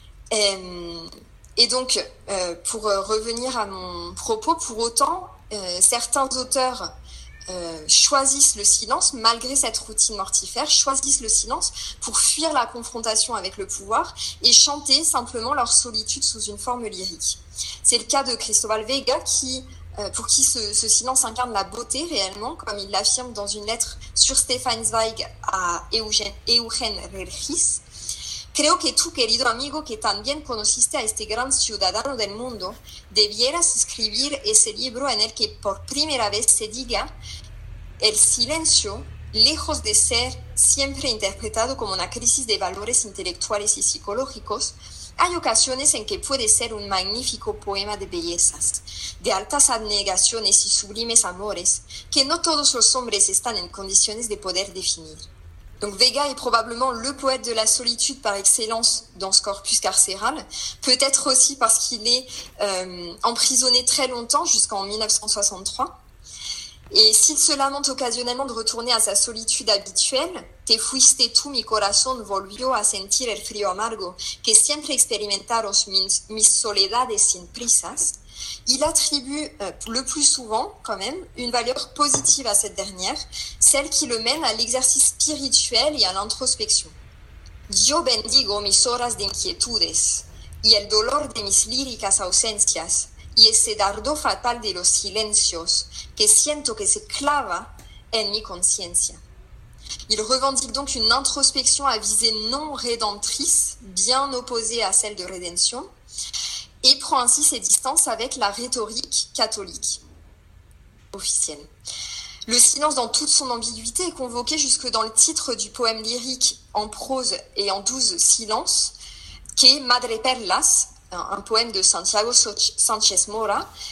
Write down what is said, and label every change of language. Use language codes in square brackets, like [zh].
[fr] Pour revenir à mon propos, pour autant, certains auteurs choisissent le silence, malgré cette routine mortifère, choisissent le silence pour fuir la confrontation avec le pouvoir et chanter simplement leur solitude sous une forme lyrique. C'est le cas de Cristóbal Vega, pour qui ce silence incarne la beauté réellement, comme il l'affirme dans une lettre sur Stefan Zweig à Eugen Regis. [es] Creo que tú, querido amigo, que también conociste a este gran ciudadano del mundo, debieras escribir ese libro en el que por primera vez se diga el silencio, lejos de ser siempre interpretado como una crisis de valores intelectuales y psicológicos, hay ocasiones en que puede ser un magnífico poema de bellezas, de altas abnegaciones y sublimes amores, que no todos los hombres están en condiciones de poder definir. [fr] Donc Vega est probablement le poète de la solitude par excellence dans ce corpus carcéral, peut-être aussi parce qu'il est emprisonné très longtemps, jusqu'en 1963. Et s'il se lamente occasionnellement de retourner à sa solitude habituelle, « [es] Te fuiste tu, mi corazón volvió a sentir el frío amargo que siempre experimentaron mis soledades sin prisas [fr] », il attribue le plus souvent, quand même, une valeur positive à cette dernière, celle qui le mène à l'exercice spirituel et à l'introspection. [es] Yo bendigo mis horas de inquietudes y el dolor de mis líricas ausencias y ese dardo fatal de los silencios que siento que se clava en mi conciencia. [fr] Il revendique donc une introspection à visée non rédemptrice, bien opposée à celle de rédemption, et prend ainsi ses distances avec la rhétorique catholique officielle. Le silence dans toute son ambiguïté est convoqué jusque dans le titre du poème lyrique en prose et en 12 silences, qui est Madre Perlas, un poème de Santiago Sánchez Mora.